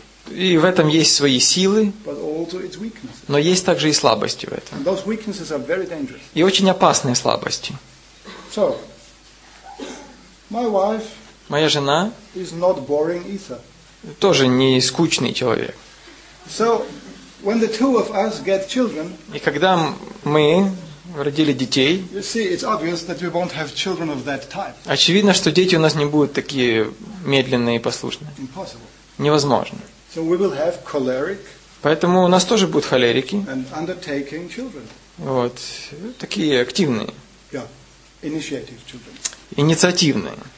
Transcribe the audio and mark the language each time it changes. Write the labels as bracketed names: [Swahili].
[Russian] И в этом есть свои силы, но есть также и слабости в этом. И очень опасные слабости. [English] So, my wife [Russian] моя жена [English] is not boring either. [Russian] Тоже не скучный человек. [English] So, when the two of us get children, [Russian] и когда мы родили детей, [English] you see, it's obvious that we won't have children of that type. [Russian] Очевидно, что дети у нас не будут такие медленные и послушные. [English] Impossible. [Russian] Невозможно. [English] So we will have choleric. [Russian] Поэтому у нас тоже будут холерики. [English] And undertaking children. [Russian] Вот такие активные. [English] Yeah, initiative children. [Russian] Инициативные.